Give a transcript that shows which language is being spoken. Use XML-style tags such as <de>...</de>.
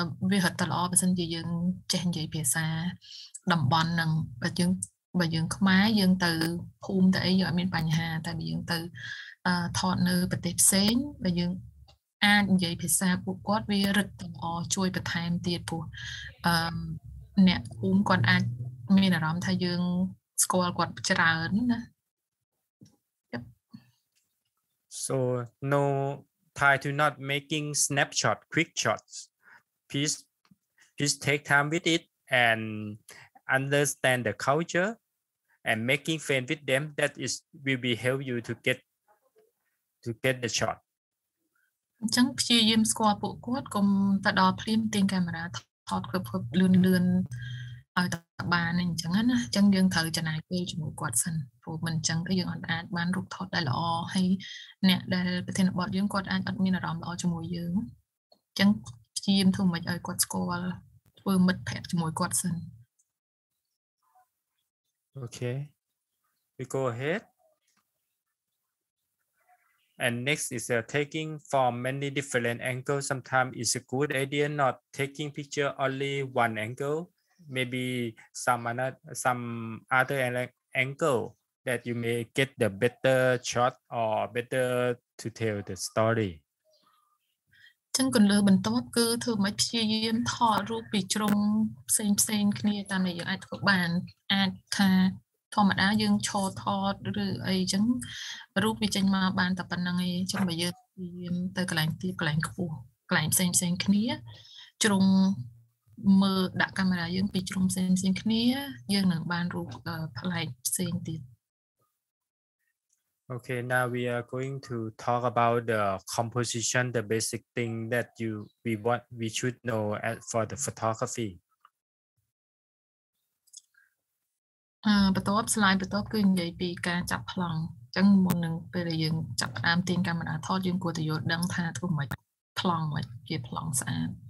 <km>វាហត់តល្អបើសិនជាយើងចេះនិយាយភាសាតំបន់នឹងបើយើងខ្មែរយើងទៅភូមិទៅអីយើងអត់មានបញ្ហាតែបើយើងទៅថតនៅប្រទេសផ្សេងបើយើងអាចនិយាយភាសាពួកគាត់វារឹកតល្អជួយបន្ថែមទៀតព្រោះអ្នកភូមិគាត់អាចមានអារម្មណ៍ថាយើងស្គាល់គាត់ច្រើនណា</km> <en>So no try to not making snapshot quick shots please take time with it and understand the culture and making friends with them that is will be help you to get the shot</en> <km>អញ្ចឹងព្យាយាមស្គាល់ពួកគាត់កុំទៅដល់ភ្លាមទាញកាមេរ៉ាថតគ្រប់លឿនឲ្យតែបានអញ្ចឹងណាអញ្ចឹងយើងត្រូវចំណាយពេលជាមួយគាត់សិនព្រោះមិនអញ្ចឹងទៅយើងអត់អាចបានរូបថតដែលល្អហើយអ្នកដែលប្រធានបទយើងគាត់អាចអត់មានអារម្មណ៍ល្អជាមួយយើងអញ្ចឹងព្យាយាមធ្វើម៉េចឲ្យគាត់ស្គាល់ធ្វើមិត្តភក្តិជាមួយគាត់សិន</km> <en>Okay, we go ahead. And next is taking from many different angles. Sometimes it's a good idea not taking picture only one angle. Maybe some other angle that you may get the better shot or better to tell the story.</en> <km>ចឹងគន្លឹះបន្ទាប់គឺធ្វើម៉េចព្យាយាមថតរូបពីជ្រុងផ្សេងផ្សេងគ្នាតាមដែលយើងអាចធ្វើបានអាចថាធម្មតាយើងឈរថតឬអីចឹងរូបវាចេញមកបានតែប៉ុណ្្នឹងឯងចឹងបើយើងព្យាយាមទៅកន្លែងទីកន្លែងខ្ពស់កន្លែងផ្សេងផ្សេងគ្នាជ្រុងមើលដាក់កាមេរ៉ាយើងពីជ្រុងផ្សេងផ្សេងគ្នាយើងនឹងបានរូបប្លែកផ្សេងទៀត</km> <en>Okay, now we are going to talk about the composition, the basic thing that we should know as for the photography.</en> <km>បន្ទាប់ slide បន្ទាប់គឺនិយាយពីការចាប់ប្លង់អញ្ចឹងមុននឹងពេលដែលយើងចាប់ផ្ដើមទាញកាមេរ៉ាថតយើងគួរតែយល់ដឹងថាធ្វើម៉េចប្លង់ម៉េចជាប្លង់ស្អាត</km>